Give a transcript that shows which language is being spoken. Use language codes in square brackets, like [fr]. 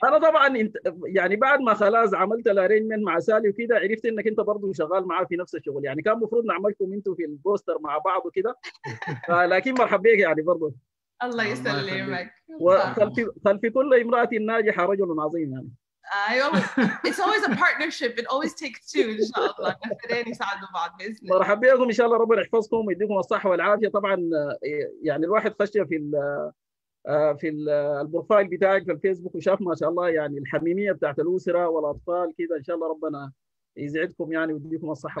[ar] انا طبعا انت يعني بعد ما خلاص عملت الارينجمنت مع سالي وكده، عرفت انك انت برضه شغال معاه في نفس الشغل، يعني كان المفروض نعملكم انتوا في البوستر مع بعض وكده، لكن مرحب بك يعني برضه. الله الله يخليك، يسلمك. وخلف كل امرأة ناجحة رجل عظيم يعني. [en] It's always a partnership. It always takes two, [ar] إن شاء الله. نفرين يساعدوا بعض بإذن الله. مرحبا بكم، ان شاء الله ربنا يحفظكم ويديكم الصحه والعافيه. طبعا يعني الواحد خش في البروفايل بتاعك في الفيسبوك وشاف ما شاء الله يعني الحميميه بتاعت الاسره والاطفال كده، ان شاء الله ربنا يزعدكم يعني ويديكم الصحه